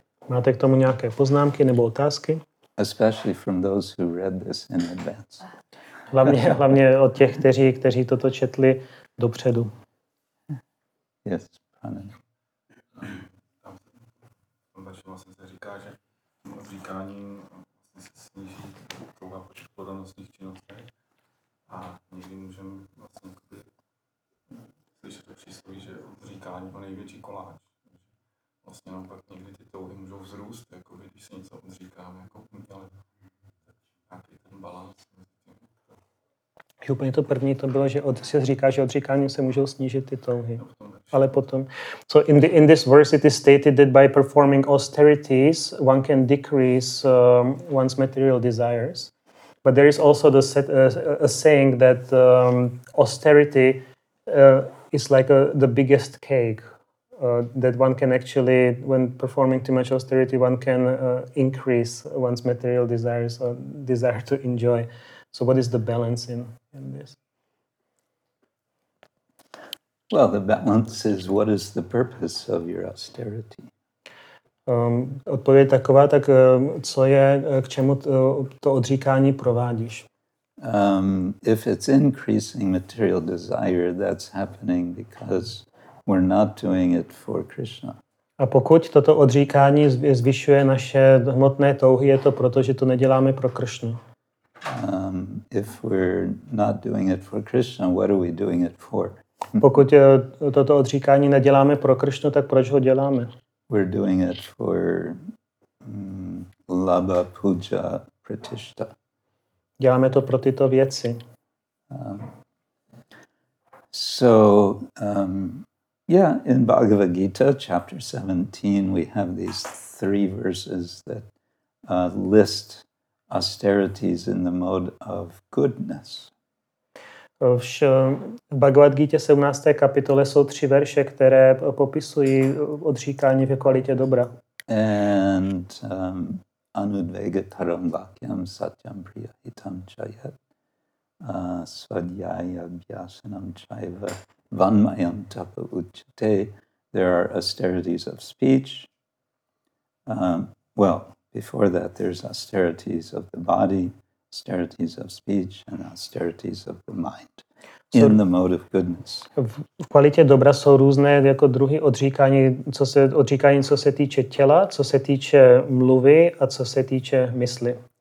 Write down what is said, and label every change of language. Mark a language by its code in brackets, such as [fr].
[cs] Máte k tomu nejaké poznámky nebo otázky? [en] Especially from those who read this in advance. [cs] Hlavně od těch, kteří toto četli dopředu. [en] Yes, [cs] pane. Tam se říká, že odříkáním se sníží touha po škodanostních činnostech. A někdy můžeme vlastně slyšet to přísloví, že odříkání je největší koláč. Vlastně nám pak někdy ty touhy můžou vzrůst, jako když se něco odříkáme, jako ale nějaký ten balans. Úplně to první to bylo, že se říká, že odříkáním se můžou snížit ty touhy. Ale potom, [en] so in this verse it is stated that by performing austerities one can decrease one's material desires. But there is also the a saying that austerity is like the biggest cake. That one can actually, when performing too much austerity, one can increase one's material desires or desire to enjoy. So what is the balance in this? Well, the balance is what is the purpose of your austerity? [cs] Odpověď taková, tak co je, k čemu to odříkání provádíš? [en] If it's increasing material desire, that's happening because we're not doing it for Krishna. [cs] A pokud toto odříkání zvyšuje naše hmotné touhy, je to proto, že to neděláme pro Krishnu. [en] If we're not doing it for Krishna, what are we doing it for? [cs] Pokud toto odříkání neděláme pro Krishnu, tak proč ho děláme? [en] We're doing it for labha, puja, pratishta. [cs] Děláme to pro tyto věci. [en] In Bhagavad Gita, chapter 17, we have these three verses that list austerities in the mode of goodness. [cs] V Bhagavad Gita 17. kapitole jsou tři verše, které popisují odříkání ve kvalitě dobra. [sa] And anudvega taram vakyam satyam priyahitam chayat svadhyaya vyasanam chayva vanmayam tapa uchate. [en] There are austerities of speech. Before that, there's austerities of the body, austerities of speech, and austerities of the mind in the mode of goodness. [cs] V kvalitě dobra jsou různé jako druhy odříkání, co se týče těla, co se týče mluvy a co se týče mysli.